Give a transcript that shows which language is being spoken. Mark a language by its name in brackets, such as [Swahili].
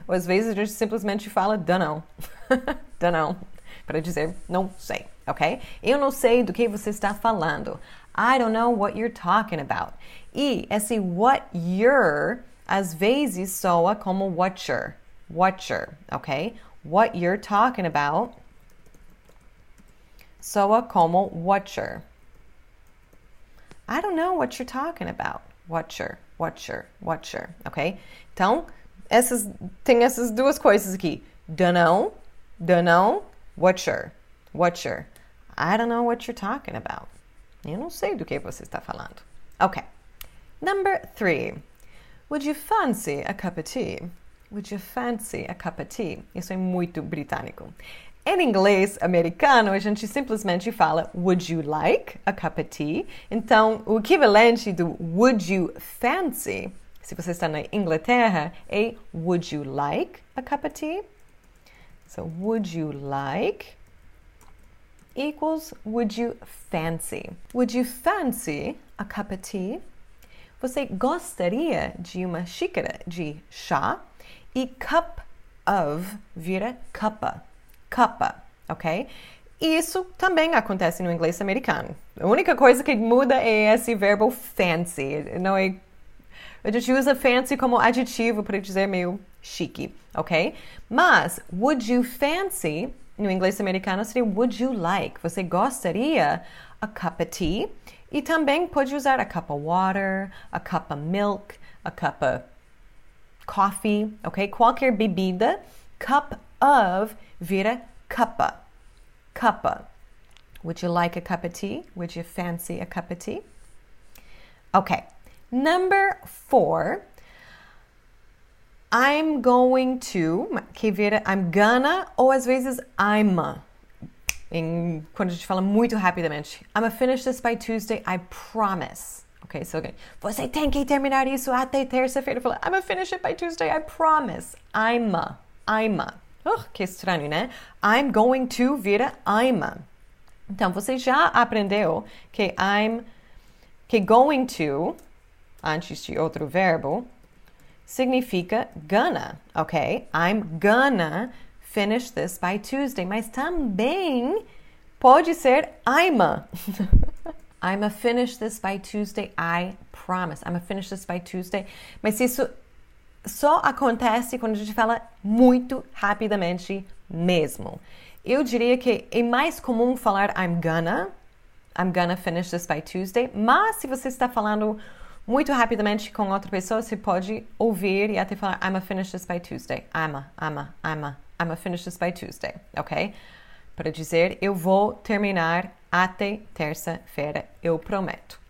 [Portuguese] Ou às vezes a gente simplesmente fala, [English] don't know. Don't know. [Portuguese] Para dizer, não sei, ok? Eu não sei do que você está falando. [English] I don't know what you're talking about. [Portuguese] E esse [English] what you're, [Portuguese] às vezes, soa como watcher. [English] Watcher, ok? What you're talking about [Portuguese] soa como [English] watcher. I don't know what you're talking about. Watcher, watcher, watcher. Ok? [Portuguese] Então, tem essas duas coisas aqui. [English] Dunno, watcher, watcher. I don't know what you're talking about. [Portuguese] Eu não sei do que você está falando. [English] Ok. Number three. Would you fancy a cup of tea? Would you fancy a cup of tea? [Portuguese] Isso é muito britânico. Em inglês americano, a gente simplesmente fala [English] would you like a cup of tea? [Portuguese] Então, o equivalente do [English] would you fancy, [Portuguese] se você está na Inglaterra, é [English] would you like a cup of tea? So, would you like equals would you fancy? Would you fancy a cup of tea? [Portuguese] Você gostaria de uma xícara de chá? E cup of vira capa. Capa, ok? Isso também acontece no inglês americano. A única coisa que muda é esse verbo fancy. Não é... A gente usa fancy como adjetivo para dizer meio chique, ok? Mas [English] would you fancy, [Portuguese] no inglês americano, seria [English] would you like? [Portuguese] Você gostaria [English] a cup of tea? [Portuguese] E também pode usar [English] a cup of water, a cup of milk, a cup of coffee, [Portuguese] ok? Qualquer bebida, cup of vira capa. Capa. [English] Would you like a cup of tea? Would you fancy a cup of tea? Okay. Number four. I'm going to, [Portuguese] que vira [English] I'm gonna, [Portuguese] ou às vezes [English] I'ma. [Portuguese] Quando a gente fala muito rapidamente. [English] I'm gonna finish this by Tuesday, I promise. Ok, so again, [Portuguese] você tem que terminar isso até terça-feira. [English] Fala, I'm gonna finish it by Tuesday, I promise. I'ma. I'ma. [Portuguese] Que estranho, né? [English] I'm going to vira I'ma. [Portuguese] Então, você já aprendeu que I'm, que going to, antes de outro verbo, significa gonna, ok? [English] I'm gonna finish this by Tuesday. [Portuguese] Mas também pode ser [English] I'ma. I'm gonna finish this by Tuesday, I promise. I'm gonna finish this by Tuesday. [Portuguese] Mas isso só acontece quando a gente fala muito rapidamente mesmo. Eu diria que é mais comum falar [English] I'm gonna finish this by Tuesday. [Portuguese] Mas se você está falando muito rapidamente com outra pessoa, você pode ouvir e até falar [English] I'm gonna finish this by Tuesday. I'm gonna finish this by Tuesday. Ok? [Portuguese] Para dizer eu vou terminar até terça-feira, eu prometo.